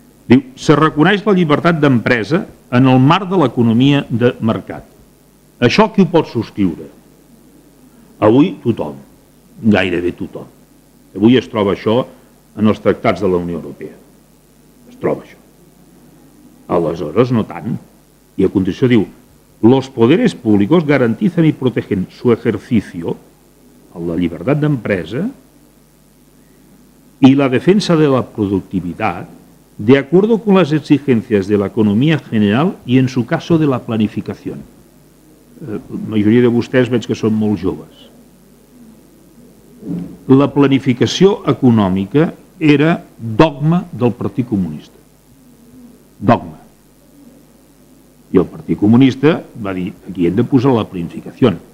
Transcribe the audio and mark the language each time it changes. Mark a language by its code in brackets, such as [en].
[ca] Diu, se reconeix la llibertat d'empresa en el marc de l'economia de mercat. Això qui ho pot subscriure? Avui tothom, gairebé tothom. Avui es troba això en els tractats de la Unió Europea. Es troba això. Aleshores no tant. I a continuació diu, [es] Los poderes públicos garantizan y protegen su ejercicio, la libertad de empresa y la defensa de la productividad de acuerdo con las exigencias de la economía general y en su caso de la planificación. La mayoría de [ca] vostès veig que són molt joves. La planificació econòmica era dogma del Partit Comunista. Dogma. I el Partit Comunista va dir, aquí hem de posar la planificació.